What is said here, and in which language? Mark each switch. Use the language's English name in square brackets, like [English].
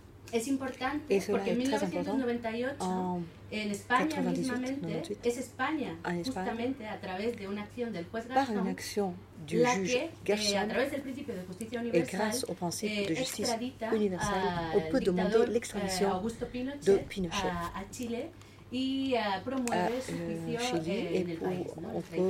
[Spanish] Es importante porque en 1998, en España mismamente, es España, justamente a través de una acción del juez Gerson, la que, a través del principio de justicia universal, [French] grâce au principe de justice universal, on peut demander l'extradition de Pinochet [Spanish] a Chile y promueve su juicio en el país, ¿no?